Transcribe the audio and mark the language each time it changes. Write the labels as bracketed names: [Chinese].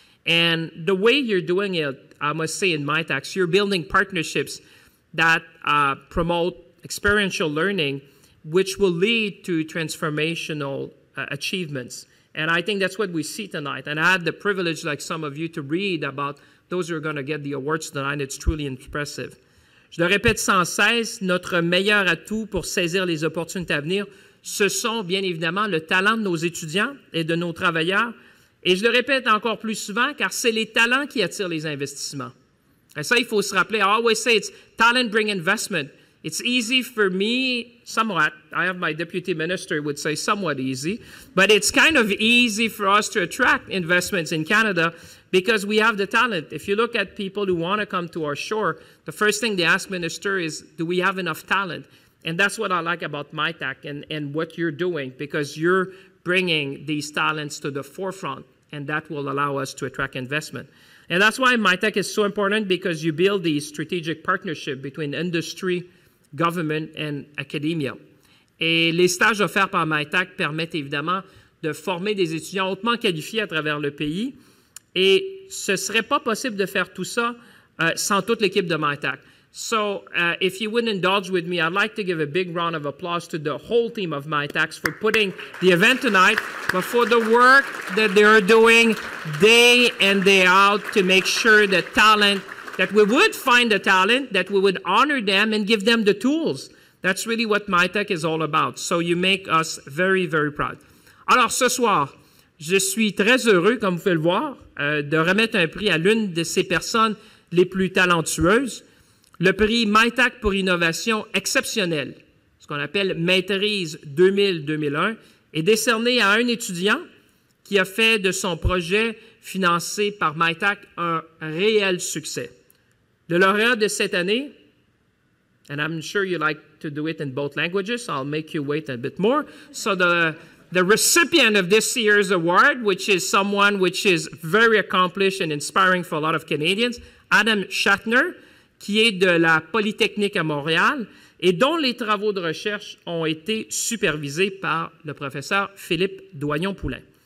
[English] And the way you're doing it, I must say, in MITAX, you're building partnerships that promote experiential learning, which will lead to transformational achievements. And I think that's what we see tonight. And I had the privilege, like some of you, to read about those who are going to get the awards tonight. It's truly impressive. [French] Je le répète sans cesse, notre meilleur atout pour saisir les opportunités à venir, ce sont bien évidemment le talent de nos étudiants et de nos travailleurs. Et je le répète encore plus souvent, car c'est les talents qui attirent les investissements. Et ça, il faut se rappeler. [English] I always say it's talent bring investment. It's easy for me, somewhat. I have my deputy minister would say somewhat easy. But it's kind of easy for us to attract investments in Canada because we have the talent. If you look at people who want to come to our shore, the first thing they ask minister is, do we have enough talent? And that's what I like about MITAX and what you're doing, because you're bringing these talents to the forefront, and that will allow us to attract investment. And that's why MITAX is so important, because you build these strategic partnerships between industry, government and academia. [French] Et les stages offerts par MITAX permettent évidemment de former des étudiants hautement qualifiés à travers le pays. Et ce serait pas possible de faire tout ça sans toute l'équipe de MITAX. [English] So, if you would indulge with me, I'd like to give a big round of applause to the whole team of MITAX for putting the event tonight, but for the work that they are doing day in, day out to make sure that talent, that we would find the talent, that we would honor them and give them the tools. That's really what MITAX is all about. So you make us very, very proud. [French] Alors, ce soir, je suis très heureux, comme vous pouvez le voir, de remettre un prix à l'une de ces personnes les plus talentueuses, le prix MITAX pour innovation exceptionnelle, ce qu'on appelle Maîtrise 2000-2001, est décerné à un étudiant qui a fait de son projet financé par MITAX un réel succès. Le lauréat de cette année, [English] and I'm sure you like to do it in both languages, so I'll make you wait a bit more. So the recipient of this year's award, which is someone which is very accomplished and inspiring for a lot of Canadians, Adam Shatner, [French] qui est de la Polytechnique à Montréal et dont les travaux de recherche ont été supervisés par le professeur Philippe Doyon-Poulin.